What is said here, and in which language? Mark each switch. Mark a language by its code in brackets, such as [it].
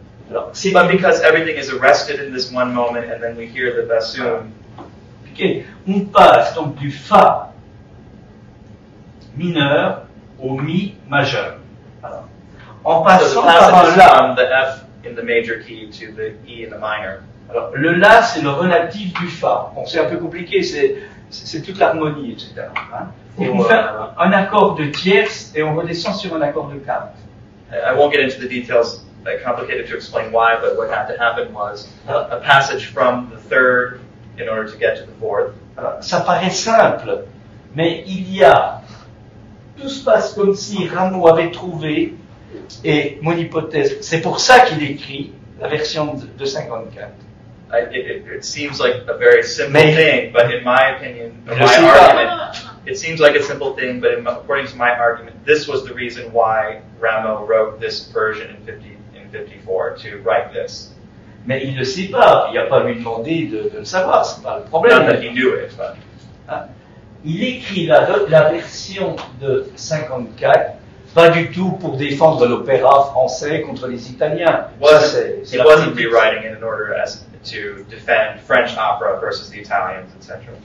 [en] But because everything is arrested in this one moment, and then we hear the bassoon. [fr] Okay, on passe donc du Fa mineur au Mi majeur. Alors, en passant par un la. [en] The F in the major key to the E in the minor. [fr] Alors, le la, c'est le relatif du fa. Bon, c'est un peu compliqué, c'est toute l'harmonie, etc. Hein? Et on fait un accord de tierce et on redescend sur un accord de quinte. [en] I won't get into the details, complicated to explain why, but what had to happen was a passage from the third in order to get to the fourth. [fr] Alors, ça paraît simple, mais il y a tout se passe comme si Rameau avait trouvé, et mon hypothèse, c'est pour ça qu'il écrit la version de 54. [en] It seems like a very simple thing, but in my opinion, my argument, it seems like a simple thing, but according to my argument, this was the reason why Rameau wrote this version in 54 to write this. [fr] Mais il ne sait pas, il n'a pas lui demandé de le savoir, c'est pas le problème. [en] Not that he knew it, but. [fr] Il écrit la version de 54, pas du tout pour défendre l'opéra français contre les Italiens. [en] He wasn't rewriting it in order to defend French opera versus the Italians, etc.